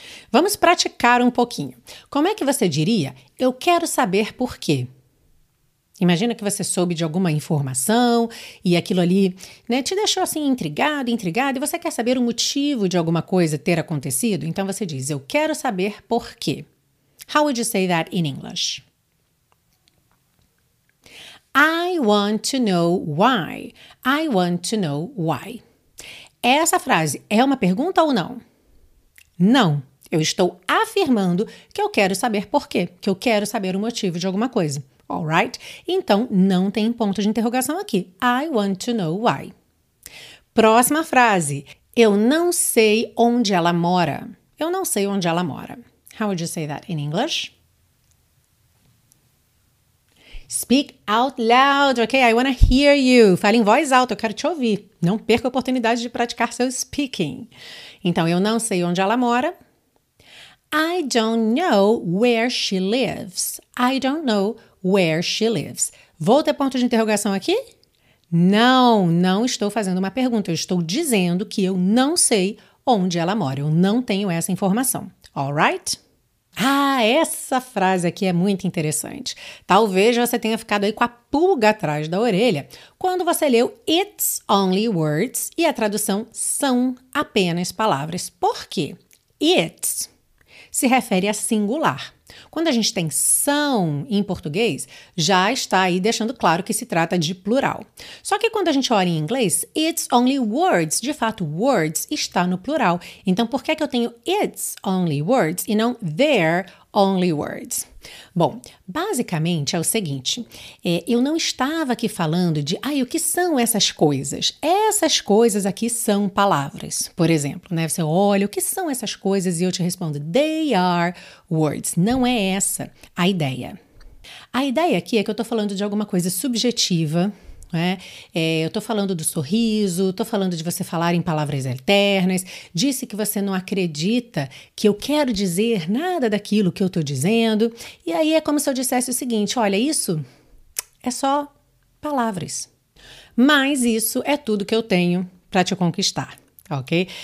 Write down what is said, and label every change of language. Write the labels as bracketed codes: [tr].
[pt] Vamos praticar um pouquinho. Como é que você diria, eu quero saber por quê? Imagina que você soube de alguma informação e aquilo ali, né, te deixou assim intrigado, intrigado, e você quer saber o motivo de alguma coisa ter acontecido. Então você diz, eu quero saber por quê. [en] How would you say that in English? I want to know why. I want to know why. [pt] Essa frase é uma pergunta ou não? Não, eu estou afirmando que eu quero saber por quê, que eu quero saber o motivo de alguma coisa, [en] alright? [pt] Então, não tem ponto de interrogação aqui, [en] I want to know why. [pt] Próxima frase, eu não sei onde ela mora, eu não sei onde ela mora. [en] How would you say that in English? Speak out loud, ok? I want to hear you. [pt] Fale em voz alta, eu quero te ouvir. Não perca a oportunidade de praticar seu speaking. Então, eu não sei onde ela mora. [en] I don't know where she lives. I don't know where she lives. [pt] Vou ter ponto de interrogação aqui? Não, não estou fazendo uma pergunta. Eu estou dizendo que eu não sei onde ela mora. Eu não tenho essa informação. [en] All right? [pt] Ah, essa frase aqui é muito interessante. Talvez você tenha ficado aí com a pulga atrás da orelha quando você leu [en] It's only words [pt] e a tradução são apenas palavras. Por quê? It se refere a singular. Quando a gente tem são em português, já está aí deixando claro que se trata de plural. Só que quando a gente olha em inglês, [en] it's only words, [pt] de fato, words está no plural. Então, por que é que eu tenho [en] it's only words [pt] e não [en] they're only words? [pt] Bom, basicamente é o seguinte, eu não estava aqui falando de, ai, o que são essas coisas? Essas coisas aqui são palavras, por exemplo, né? Você olha, o que são essas coisas? E eu te respondo, [en] they are words. [pt] Não é essa a ideia. A ideia aqui é que eu estou falando de alguma coisa subjetiva, né? Eu estou falando do sorriso, estou falando de você falar em palavras eternas, disse que você não acredita que eu quero dizer nada daquilo que eu estou dizendo, e aí é como se eu dissesse o seguinte, olha, isso é só palavras, mas isso é tudo que eu tenho para te conquistar. Ok?